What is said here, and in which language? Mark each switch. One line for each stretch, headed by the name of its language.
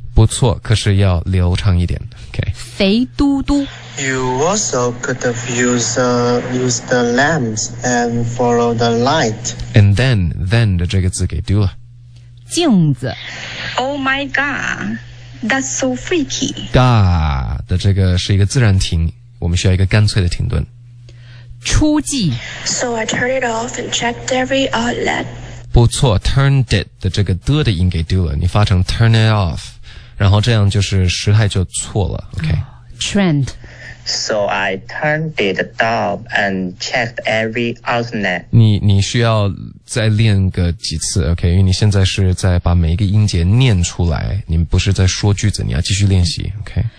Chinese: 不错可是要流畅一点 OK 肥嘟嘟
English: You also could have used the lamps and follow the light
Chinese: And then 的这个字给丢了镜子
English: Oh my god That's so freaky
Chinese: God 的这个是一个自然停我们需要一个干脆的停顿初记
English: So I turned it off and checked every outlet
Chinese: 不错 turned it 的这个的的音给丢了你发成 turn it off然后这样就是时态就错了 OK、 oh, Trend
English: So I turned it off and checked every outlet
Chinese: 你需要再练个几次 OK 因为你现在是在把每一个音节念出来你不是在说句子你要继续练习 OK